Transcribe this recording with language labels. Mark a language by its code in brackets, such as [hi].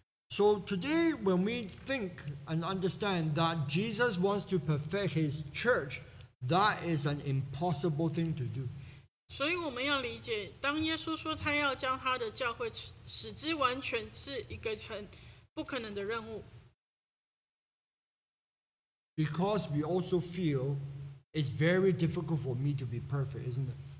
[en] So today, when we think and understand that Jesus wants to perfect his church, that is an impossible thing to do. [zh] 所以我们要理解, 当耶稣说他要将他的教会, 使之完全是一个很不可能的任务。 [en] Because we also feel it's very difficult for me to be perfect, isn't it?